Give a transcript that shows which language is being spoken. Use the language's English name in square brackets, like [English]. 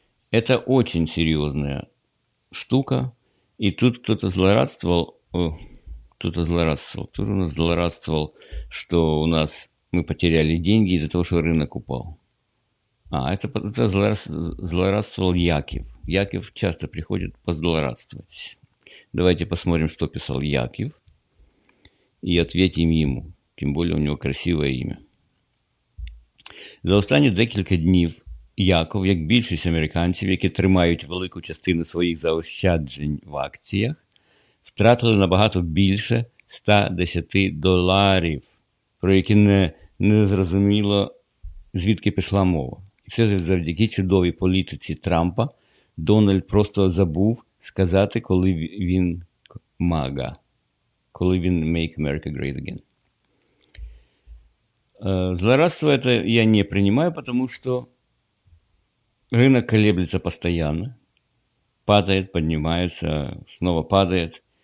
[Russian] Это очень серьезная штука. И тут кто-то злорадствовал, кто же у нас злорадствовал, что у нас мы потеряли деньги из-за того, что рынок упал. А, это злорадствовал Яков. Яков часто приходит позлорадствовать. Давайте посмотрим, что писал Яков, и ответим ему. Тем более у него красивое имя. [Ukrainian] За останні декілька днів Яков, як більшість американців, які тримають велику частину своїх заощаджень в акціях, втратили набагато більше 110 доларів, про які не зрозуміло, звідки пішла мова. Все завдяки чудовій політиці Трампа. Дональд просто забув сказати, коли він мага, коли він [English] make America great again. [Russian] Злорадство это я не принимаю, потому что рынок колеблется постоянно, падает, поднимается, снова падает.